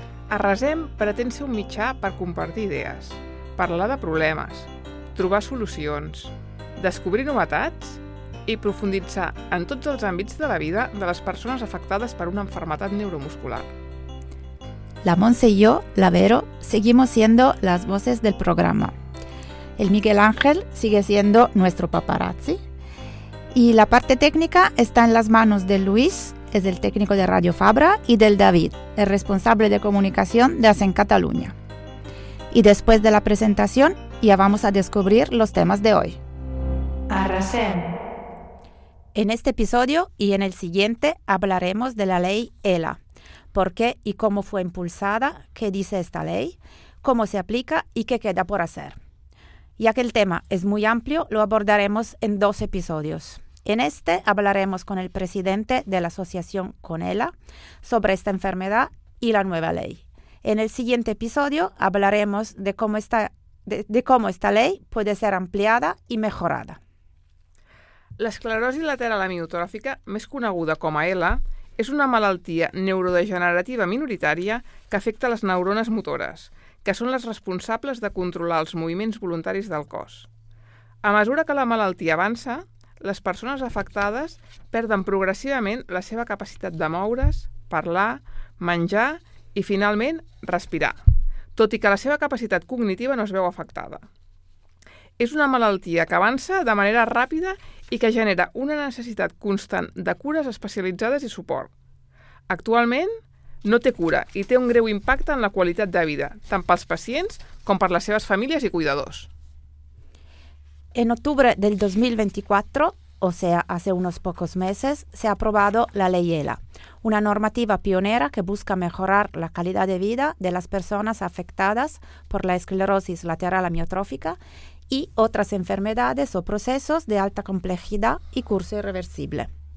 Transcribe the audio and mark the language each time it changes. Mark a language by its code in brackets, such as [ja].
[ca] A Resem pretén ser un mitjà per compartir idees, parlar de problemes, trobar solucions, descobrir novetats i profunditzar en tots els àmbits de la vida de les persones afectades per una malaltia neuromuscular. [es] La Montse [ca] i jo, [es] la Vero, seguimos siendo las voces del programa. El Miguel Ángel sigue siendo nuestro paparazzi. Y la parte técnica está en las manos de Luis, es el técnico de Radio Fabra, y del David, el responsable de comunicación de ASEN Cataluña. Y después de la presentación, ya vamos a descubrir los temas de hoy. Arrasen. En este episodio y en el siguiente hablaremos de la ley ELA. ¿Por qué y cómo fue impulsada? ¿Qué dice esta ley? ¿Cómo se aplica y qué queda por hacer? Ya que el tema es muy amplio, lo abordaremos en dos episodios. En este hablaremos con el presidente de la asociación CONELA sobre esta enfermedad y la nueva ley. En el siguiente episodio hablaremos de cómo esta ley puede ser ampliada y mejorada. [ca] L'esclerosi lateral amiotròfica, més coneguda com a ELA, és una malaltia neurodegenerativa minoritària que afecta les neurones motores, que són les responsables de controlar els moviments voluntaris del cos. A mesura que la malaltia avança, les persones afectades perden progressivament la seva capacitat de moure's, parlar, menjar i, finalment, respirar, tot i que la seva capacitat cognitiva no es veu afectada. És una malaltia que avança de manera ràpida i que genera una necessitat constant de cures especialitzades i suport. Actualment, no té cura i té un greu impacte en la qualitat de vida, tant pels pacients com per les seves famílies i cuidadors. [es] En octubre del 2024, o sea, hace unos pocos meses, se ha aprobado la ley ELA, una normativa pionera que busca mejorar la calidad de vida de las personas afectadas por la esclerosis lateral amiotrófica y otras enfermedades o procesos de alta complejidad y curso irreversible.